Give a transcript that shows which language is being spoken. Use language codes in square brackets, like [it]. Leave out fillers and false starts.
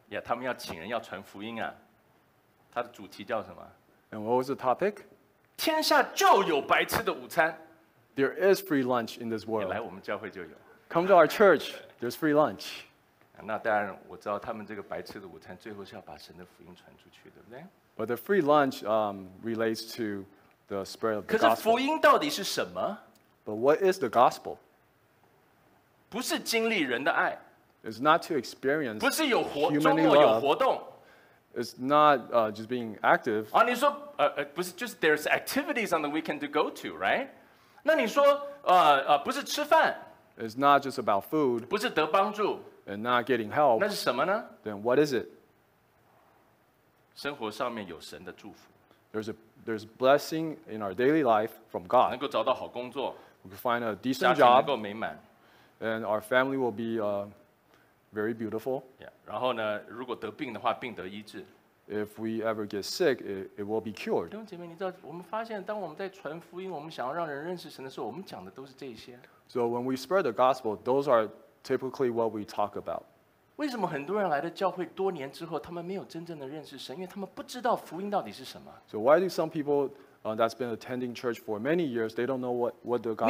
[zh] Yeah, 他们要请人要传福音啊。他的主题叫什么？ [en] And what was the topic? [zh] 天下就有白吃的午餐。 [en] There is free lunch in this world. [zh] 来我们教会就有。 [en] Come to our church, there's free lunch. [zh] 那当然我知道他们这个白吃的午餐最后是要把神的福音传出去，对不对？ [en] But the free lunch relates to the spread of the gospel. [zh] 可是福音到底是什么？ [en] But what is the gospel? [zh] 不是经历人的爱。 [en] It's not to experience [zh] 不是有活, [en] humanly love. It's not just being active. [zh] 啊，你说，不是，就是 [en] there's activities on the weekend to go to, right? [zh] 那你说，不是吃饭。 [en] It's not just about food. [zh] 不是得帮助。 [en] And not getting help. [zh] 那是什么呢？ [en] Then what is it? [zh] 生活上面有神的祝福。 [en] There's a blessing in our daily life from God. [zh] 能够找到好工作。 [en] We can find a decent job. [zh] 家庭能够美满。 [en] And our family will be very beautiful. Yeah. [zh] 然后呢, 如果得病的话, 病得医治。 [en] If we ever get sick, it will be cured. [zh] 弟兄姐妹, 你知道, 我们发现, 当我们在传福音, 我们想要让人认识神的时候, 我们讲的都是这些。 [en] So when we spread the gospel, those are typically what we talk about. [zh] 为什么很多人来到教会多年之后, 他们没有真正的认识神, 因为他们不知道福音到底是什么。 [en] So why do some people that's been attending church for many years, they don't know what the gospel